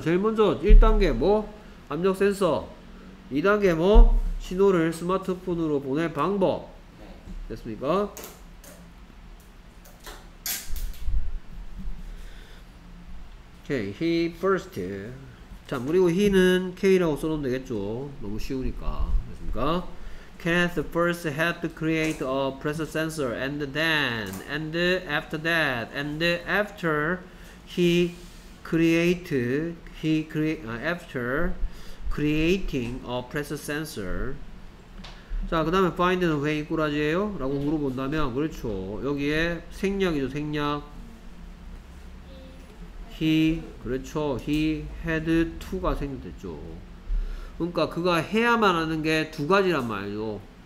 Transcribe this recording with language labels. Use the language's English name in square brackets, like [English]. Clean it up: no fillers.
[Korean] 제일 먼저 1단계 뭐? 압력 센서 2단계 뭐? 신호를 스마트폰으로 보낼 방법 됐습니까? [English] 오케이, he first. [Korean] 자, 그리고 he는 k라고 써놓으면 되겠죠. 너무 쉬우니까. 됐습니까? [English] Kenneth first had to create a pressure sensor and then, and after that, and after he created, after creating a pressure sensor. [Korean] 자, 그 다음에 find는 왜 이 꾸라지예요? 라고 물어본다면, 그렇죠. 여기에 생략이죠, 생략. He, 그렇죠. He had to가 생략됐죠. 그러니까 그가 해야만 하는 게 두 가지란 말이죠.